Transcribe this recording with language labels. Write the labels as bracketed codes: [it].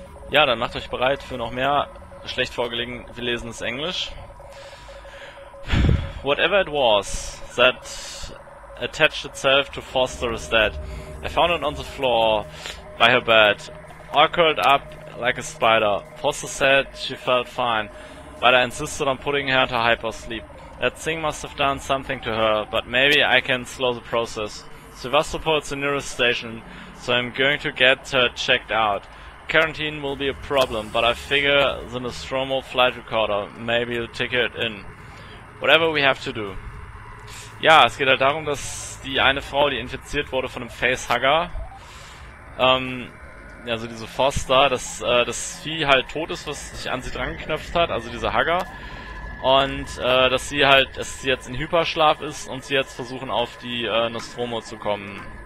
[de] Ja, dann macht euch bereit für noch mehr schlecht vorgelegen. Wir lesen es Englisch. [en] Whatever it was that attached itself to Foster is dead. I found it on the floor by her bed, all curled up like a spider. Foster said she felt fine, but I insisted on putting her into hypersleep. That thing must have done something to her, but maybe I can slow the process. Sevastopol is the nearest station, so I'm going to get her checked out. Quarantine will be a problem, but I figure the Nostromo flight recorder maybe will ticket it in. Whatever we have to do. [de] Ja, es geht halt darum, dass die eine Frau, die infiziert wurde von einem Facehugger, also diese Foster, dass das Vieh halt tot ist, was sich an sie dran geknöpft hat, also diese Hugger. Und dass sie halt, dass sie jetzt in Hyperschlaf ist und sie jetzt versuchen auf die Nostromo zu kommen.